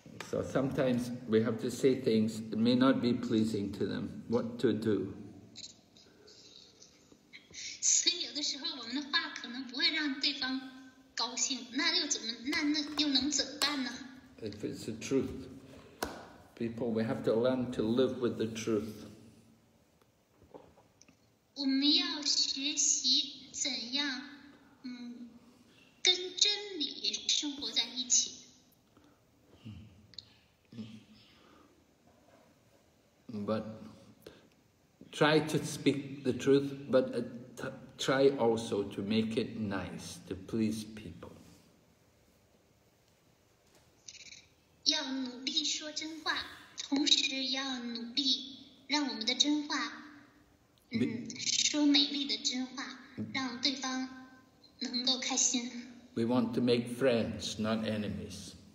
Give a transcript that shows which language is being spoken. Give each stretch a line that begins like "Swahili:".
English: So sometimes we have to say things that may not be pleasing to them. What to do?
Chinese: So, 有的时候我们的话可能不会让对方高兴，那又能怎办呢？
English: If it's the truth, people, we have to learn to live with the truth.
Chinese: 我们要学习怎样，跟真理生活在一起。
English: But try to speak the truth, but try also to make it nice, to please people.
Chinese: 要努力说真话，同时要努力让我们的真话，说美丽的真话，让对方能够开心。
English: We want to make friends, not enemies.